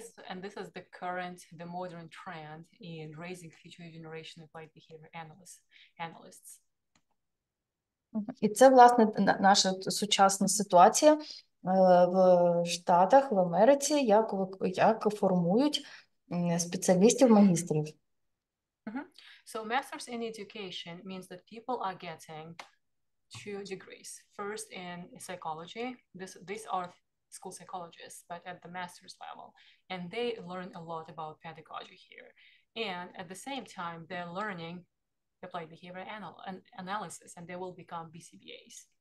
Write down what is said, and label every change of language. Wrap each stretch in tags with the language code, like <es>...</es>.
<en>And this is the current, the modern trend in raising future generation applied behavior analysts.</en> <uk>І це, власне, наша сучасна ситуація в Штатах, в Америці, як формують спеціалістів, магістрів.</uk> <en>So masters in education means that people are getting two degrees. First in psychology. These are school psychologists, but at the master's level. And they learn a lot about pedagogy here. And at the same time, they're learning applied behavior analysis, and they will become BCBAs.</en>